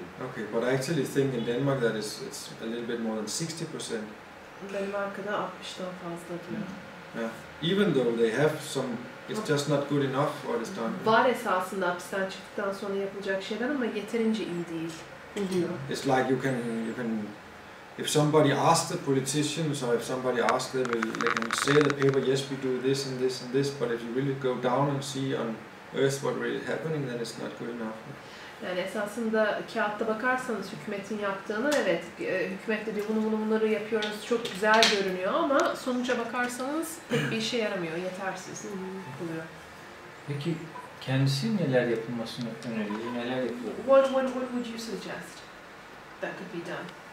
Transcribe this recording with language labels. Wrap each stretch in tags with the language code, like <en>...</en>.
<en>Okay, but I actually think in Denmark that is it's a little bit more than 60%.</en> <tr>Danimarka'da 60'dan fazla diyor.</tr> <en>Yeah. Even though they have some, it's just not good enough what is done.</en> <tr>Var esasında hapisten çıktıktan sonra yapılacak şeyler ama yeterince iyi değil diyor.</tr> <en>It's like you can if somebody asks the politicians or if somebody asks them, they can say the paper, yes, we do this and this and this, but if you really go down and see on earth what really happening, then it's not good enough.</en> <tr>Yani esasında kağıtta bakarsanız hükümetin yaptığını, evet, hükümet de diyor, bunları yapıyoruz, çok güzel görünüyor ama sonuca bakarsanız pek bir işe yaramıyor, yetersiz buluyor. Peki kendisi neler yapılmasını öneriyor, neler yapıyor?</tr> <en>What would you suggest that could be done?</en>